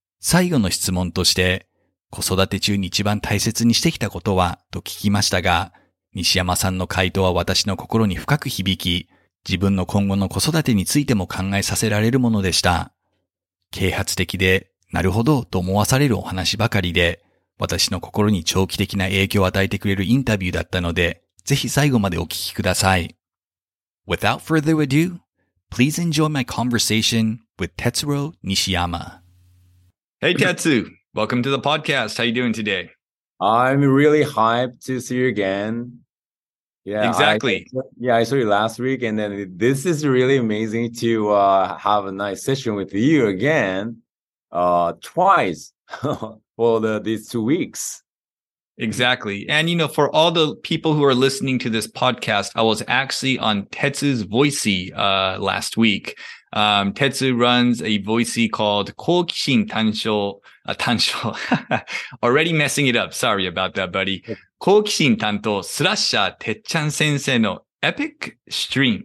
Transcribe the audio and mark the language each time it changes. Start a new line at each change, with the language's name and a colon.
Japanese: 最後の質問として、子育て中に一番大切にしてきたことは、と聞きましたが、西山さんの回答は私の心に深く響き、自分の今後の子育てについても考えさせられるものでした。啓発的で、なるほどと思わされるお話ばかりで、私の心に長期的な影響を与えてくれるインタビューだったので、ぜひ最後までお聞きください。
English: Without further ado, please enjoy my conversation with Tetsuro Nishiyama. Hey, Tetsu. Welcome to the podcast. How are you doing today? I'm really hyped to see you again. Yeah, exactly. I saw you last week, and then this is really amazing to have a nice session with you again twice for these 2 weeks. Exactly. And, you know, for all the people who are listening to this podcast, I was actually on Tetsu's Voicy last week. Tetsu runs a Voicy called 好奇心探求, 探求. Already messing it up. Sorry about that, buddy.
Japanese: 好奇心探求スラッシャーてっちゃん先生の Epic Stream.